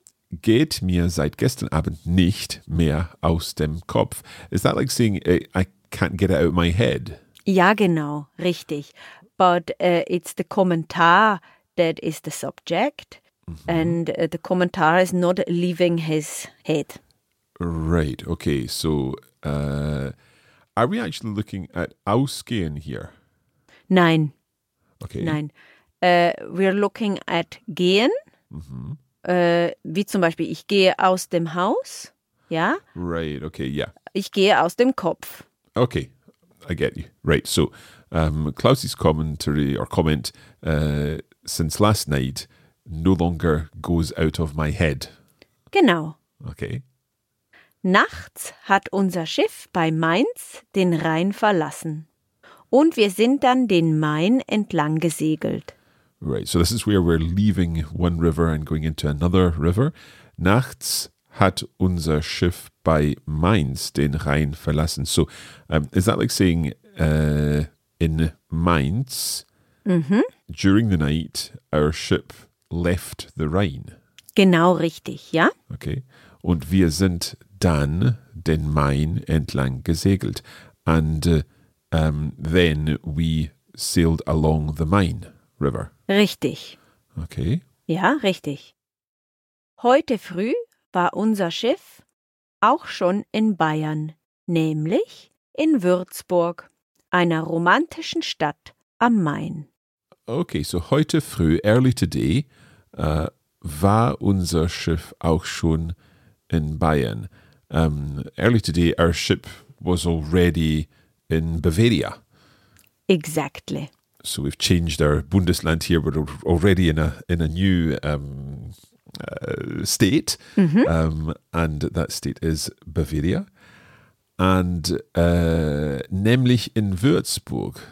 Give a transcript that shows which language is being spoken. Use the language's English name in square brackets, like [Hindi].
[German] Geht mir seit gestern Abend nicht mehr aus dem Kopf. [English] Is that like saying, I can't get it out of my head? [German] Ja, genau, richtig. [English] But it's the Kommentar that is the subject, mm-hmm. and the Kommentar is not leaving his head. Right, okay, so are we actually looking at ausgehen here? [German] Nein. [English] Okay. [German] Nein. [English] We're looking at gehen, mm-hmm. [German] Wie zum Beispiel, ich gehe aus dem Haus, ja? [English] Right, okay, yeah. [German] Ich gehe aus dem Kopf. [English] Okay, I get you. Right, so Klaus's commentary or comment since last night no longer goes out of my head. [German] Genau. [English] Okay. [German] Nachts hat unser Schiff bei Mainz den Rhein verlassen und wir sind dann den Main entlang gesegelt. [English] Right, so this is where we're leaving one river and going into another river. [German] Nachts hat unser Schiff bei Mainz den Rhein verlassen. [English] So is that like saying... in Mainz, mm-hmm. during the night, our ship left the Rhine. [German] Genau richtig, ja. [English] Okay. [German] Und wir sind dann den Main entlang gesegelt. [English] And then we sailed along the Main River. [German] Richtig. [English] Okay. [German] Ja, richtig. Heute früh war unser Schiff auch schon in Bayern, nämlich in Würzburg. Einer romantischen Stadt am Main. [English] Okay, so [German] heute früh, [English] early today, [German] war unser Schiff auch schon in Bayern. [English] Early today, our ship was already in Bavaria. Exactly. So we've changed our Bundesland here. We're already in a new state. Mm-hmm. And that state is Bavaria. And [German] nämlich in Würzburg.